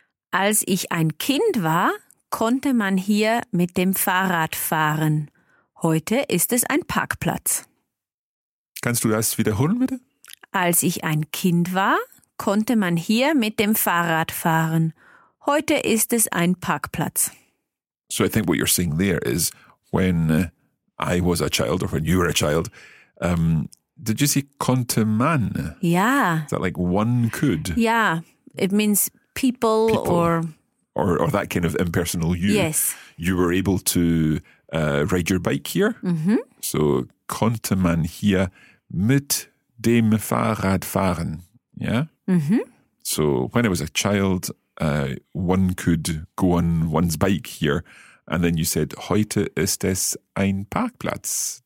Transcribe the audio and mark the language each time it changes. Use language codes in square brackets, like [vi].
[de] Als ich ein Kind war, konnte man hier mit dem Fahrrad fahren. Heute ist es ein Parkplatz. Kannst du das wiederholen, bitte? Als ich ein Kind war, konnte man hier mit dem Fahrrad fahren. Heute ist es ein Parkplatz. [en] So I think what you're saying there is, when I was a child or when you were a child, did you say [de] konnte man? [en] Yeah. Is that like one could? Yeah. It means people. Or that kind of impersonal you. Yes. You were able to ride your bike here. Mm-hmm. [de] So konnte man hier mit dem Fahrrad fahren. [en] Yeah? Mm-hmm. So when I was a child, one could go on one's bike here. And then you said, [de] heute ist es ein Parkplatz.